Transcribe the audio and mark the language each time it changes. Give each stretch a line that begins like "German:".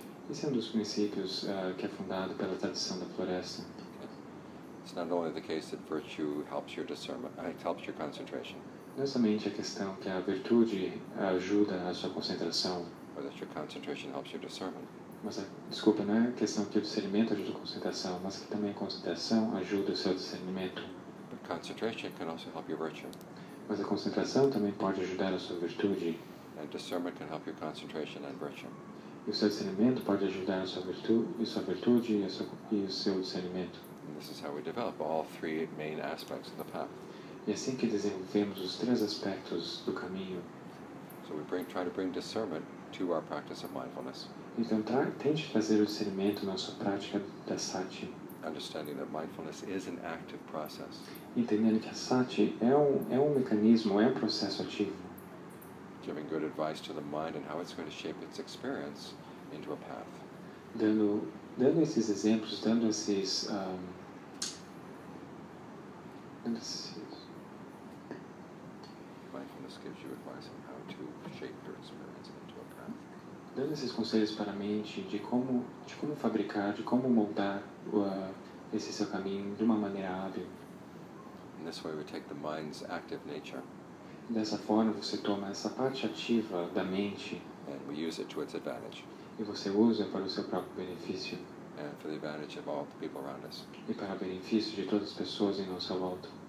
Portuguese: Esse é um dos princípios que é fundado pela tradição da floresta.
English: It's not only the case that virtue helps your discernment, it helps your concentration.
Portuguese: Não é somente a questão que a virtude ajuda a sua concentração.
English: Or that your concentration helps your discernment.
Portuguese: Desculpa, não é a questão que o discernimento ajuda a concentração, mas que também a concentração ajuda o seu discernimento.
English: But concentration can also help your virtue.
Portuguese: Mas a concentração também pode ajudar a sua virtude.
English: And discernment can help your concentration and virtue.
Portuguese: E o seu discernimento pode ajudar a sua virtude, e o seu discernimento.
English: And this is how we develop all three main aspects of the path.
Portuguese: E assim que desenvolvemos os três aspectos do caminho.
English: So we try to bring discernment to our practice of mindfulness.
Portuguese: Então tente trazer o discernimento na sua prática da sati.
English: Understanding that mindfulness is an active process.
Portuguese: Entendendo que a sati é um mecanismo, é um processo ativo.
English: Giving good advice to the mind and how it's going to shape its experience into a path.
Portuguese: Dando esses exemplos, dando esses conselhos para a mente de como fabricar, de como moldar esse seu caminho de uma maneira hábil.
English: In this way we take the mind's active nature.
Portuguese: Dessa forma você toma essa parte ativa da mente.
English: And we use it to its advantage.
Portuguese: E você usa para o seu próprio benefício.
English: And for the advantage of all the people around us.
Portuguese: E para o benefício de todas as pessoas em nossa volta.